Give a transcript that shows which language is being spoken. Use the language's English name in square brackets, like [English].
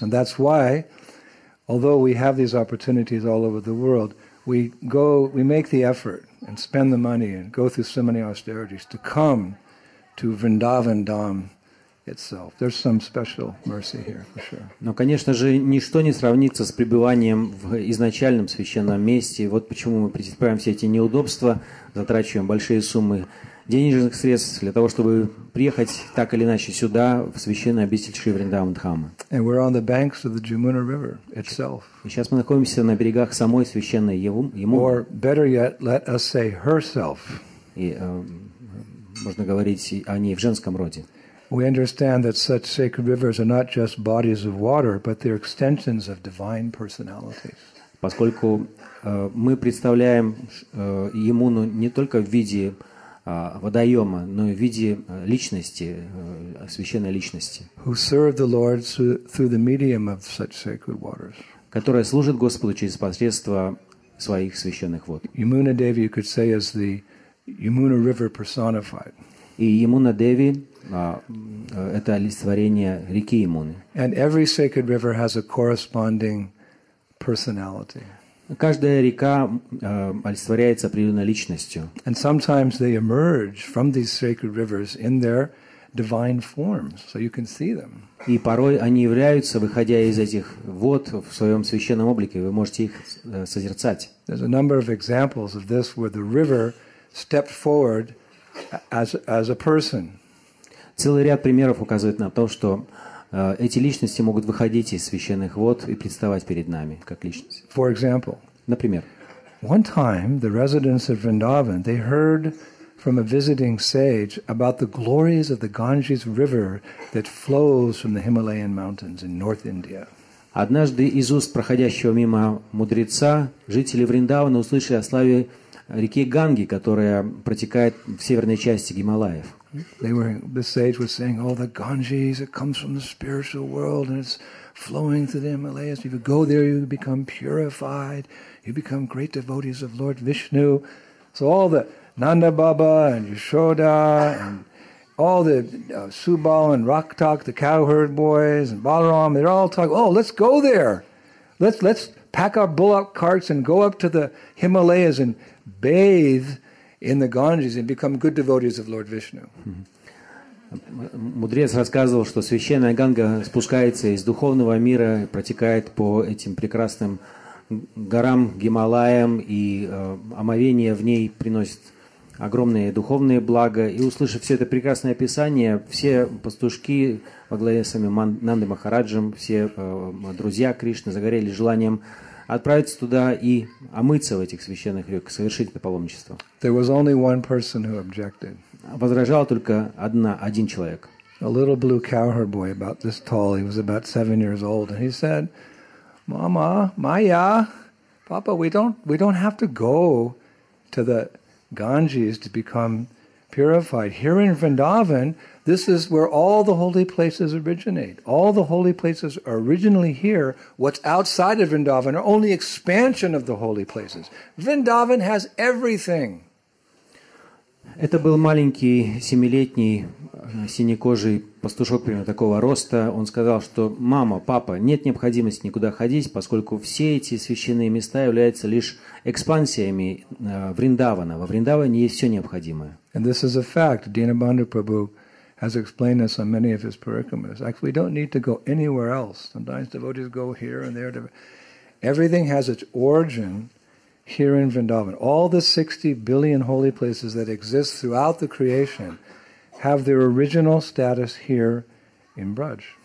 [English] And that's why, although we have these opportunities all over the world, we make the effort and spend the money and go through so many austerities to come to Vrindavan Dham itself. There's some special mercy here, for sure. [Russian] Но, конечно же, ничто не сравнится с пребыванием в изначальном священном месте. Вот почему мы претерпеваем все эти неудобства, затрачиваем большие суммы денежных средств для того, чтобы приехать так или иначе сюда, в священную обитель Шри Вриндаван Дхамы. [English] And we're on the banks of the Jamuna River itself. [Russian] И сейчас мы находимся на берегах самой священной Ямуны. [English] Or better yet, let us say herself. [Russian] И можно говорить о ней в женском роде. [English] We understand that such sacred rivers are not just bodies of water, but they're extensions of divine personalities. [Russian] Поскольку мы представляем Ямуну не только в виде водоема, но и в виде личности, священной личности, [English] who served the Lord through the medium of such sacred waters. [Russian] Которая служит Господу через посредство своих священных вод. [English] Yamuna Devi, you could say, is the Yamuna River personified. [Russian] И Ямуна Деви это олицетворение реки Ямуны. [English] And every sacred river has a corresponding personality. [Russian] Каждая река олицетворяется определенной личностью. [English] And sometimes they emerge from these sacred rivers in their divine forms, so you can see them. [Russian] И порой они являются, выходя из этих вод в своем священном облике, вы можете их созерцать. [English] There's a number of examples of this where the river stepped forward as a person. [Russian] Целый ряд примеров указывает на то, что эти личности могут выходить из священных вод и представать перед нами как личности. [English] For example, [Russian] например, [English] one time the residents of Vrindavan, they heard from a visiting sage about the glories of the Ganges River that flows from the Himalayan mountains in North India. [Russian] Однажды из уст проходящего мимо мудреца жители Вриндавана услышали о славе реки Ганги, которая протекает в северной части Гималаев. [English] The sage was saying, "Oh, the Ganges, it comes from the spiritual world and it's flowing through the Himalayas. If you go there, you become purified. You become great devotees of Lord Vishnu." So all the Nanda Baba and Yashoda and all the Subal and Raktak, the cowherd boys and Balaram, they're all talking, "Oh, let's go there. Let's pack our bullock carts and go up to the Himalayas and bathe in the Ganges and become good devotees of Lord Vishnu." [Russian] Мудрец рассказывал, что священная Ганга спускается из духовного мира, протекает по этим прекрасным горам Гималаям, и омовение в ней приносит огромные духовные блага. И услышав все это прекрасное описание, все пастушки во главе с самим Нанды Махараджем, все друзья Кришны загорели желанием отправиться туда и омыться в этих священных рек, совершить это паломничество. [English] There was only one person who objected. [Russian] Возражал только один человек. [English] A little blue cowherd boy about this tall, he was about 7 years old, and he said, "Mama, Maya, Papa, we don't have to go to the Ganges to become purified. Here in Vrindavan, this is where all the holy places originate. All the holy places are originally here. What's outside of Vrindavan are only expansion of the holy places. Vrindavan has everything." [Russian] Это был маленький семилетний синекожий пастушок примерно такого роста. Он сказал, что «Мама, папа, нет необходимости никуда ходить, поскольку все эти священные места являются лишь экспансиями Вриндавана. Во Вриндаване есть все необходимое». [English] And this is a fact. Dina Bandhu Prabhu has explained this on many of his parikramas. Actually, we don't need to go anywhere else. Sometimes devotees go here and there. Everything has its origin here in Vrindavan. All the 60 billion holy places that exist throughout the creation have their original status here in Braj.